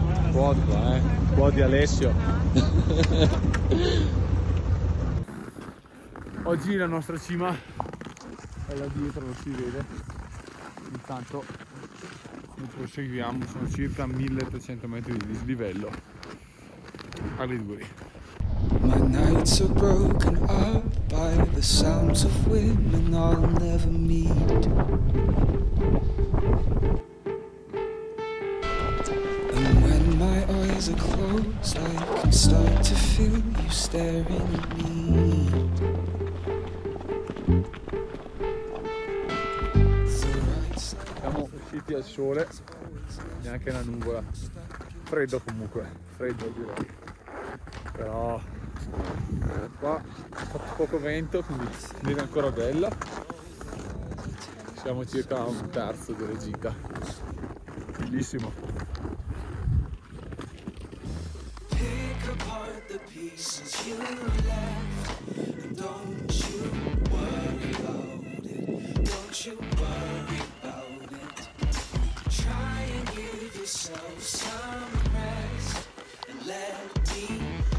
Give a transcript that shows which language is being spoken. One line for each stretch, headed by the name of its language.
Italian: quad qua, quad di Alessio. Oggi la nostra cima è là dietro, non si vede, intanto noi proseguiamo, sono circa 1300 metri di dislivello.
English: My nights are broken up by the sounds of women I'll never meet. And when my eyes are closed, I can start to feel you staring at me.
Italian: Siamo usciti al sole, neanche una nuvola. Freddo comunque, freddo direi. Però qua fa poco vento, quindi viene ancora bella. Siamo circa a un terzo della gita. Bellissimo.
English: Pick apart the pieces you left, and don't you worry about it. Don't you worry about it. Try and give yourself some rest and let me.